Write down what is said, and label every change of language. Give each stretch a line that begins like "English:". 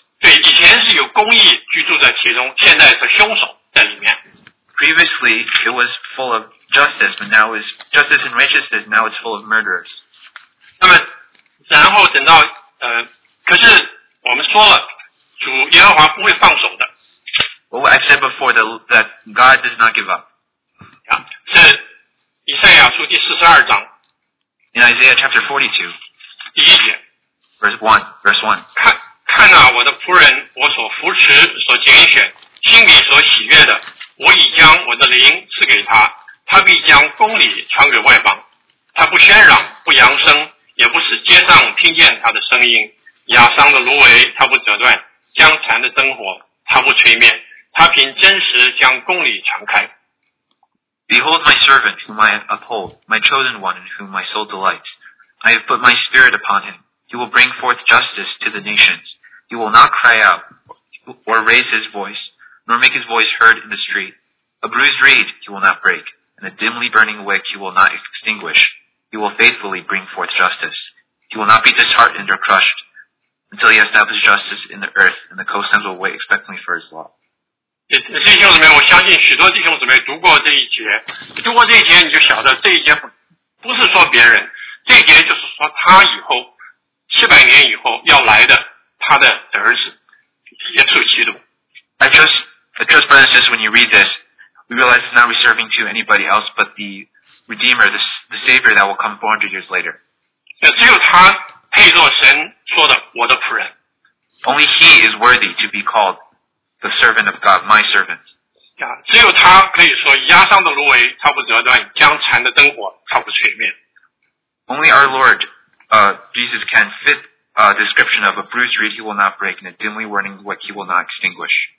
Chinese: 对，以前是有公义居住在其中，现在是凶手在里面。
English: Previously, it was full of justice, but now is justice and righteousness, now it's full of murderers.
Chinese: 那么然后等到可是我们说了，主耶和华不会放手的。
English: Well, I've said before that God does not give up.
Chinese: 啊，是以赛亚书第四十二章。
English: In Isaiah chapter 42.
Chinese: 第一节。
English: Verse 1.
Chinese: 看啊，我的仆人，我所扶持、所拣选、心里所喜悦的，我已将我的灵赐给他，他必将公理传给外邦。他不喧嚷，不扬声，也不使街上听见他的声音。雅桑的芦苇他不折断，江蚕的灯火他不吹灭，他凭真实将公理传开。
English: Behold my servant whom I uphold, my chosen one in whom my soul delights. I have put my spirit upon him. He will bring forth justice to the nations. He will not cry out or raise his voice, nor make his voice heard in the street. A bruised reed he will not break, and a dimly burning wick he will not extinguish. He will faithfully bring forth justice. He will not be disheartened or crushed. Until he establishes justice in the earth, and the coastlands will wait expectantly for his law.
Chinese: 弟兄姊妹，我相信许多弟兄姊妹读过这一节，读过这一节你就晓得这一节不是说别人，这一节就是说他以后700年以后要来的他的儿子耶稣基督。
English: I trust, brothers, just when you read this, we realize it's not reserving to anybody else but the Redeemer, the Savior that will come 400 years later.
Chinese: 只有他。配作神说的我的仆人。
English: Only he is worthy to be called the servant of God, my servant.
Chinese: 只有他可以说压伤的芦苇他不折断，江蚕的灯火他不吹灭。
English: Only our Lord, Jesus can fit a description of a bruised reed he will not break and a dimly burning wick he will not extinguish.